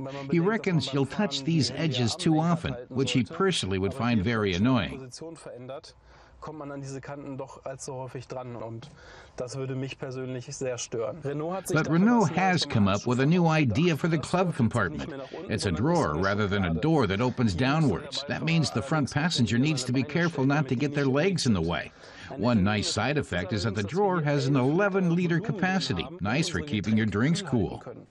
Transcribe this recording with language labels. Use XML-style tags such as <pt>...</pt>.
<en>He reckons you'll touch these edges too often, which he personally would find very annoying.</en> <de>Kommt man an diese Kanten doch allzu häufig dran und das würde mich persönlich sehr stören.</de> <en>But Renault has come up with a new idea for the club compartment. It's a drawer rather than a door that opens downwards. That means the front passenger needs to be careful not to get their legs in the way. One nice side effect is that the drawer has an 11-liter capacity, nice for keeping your drinks cool.</en>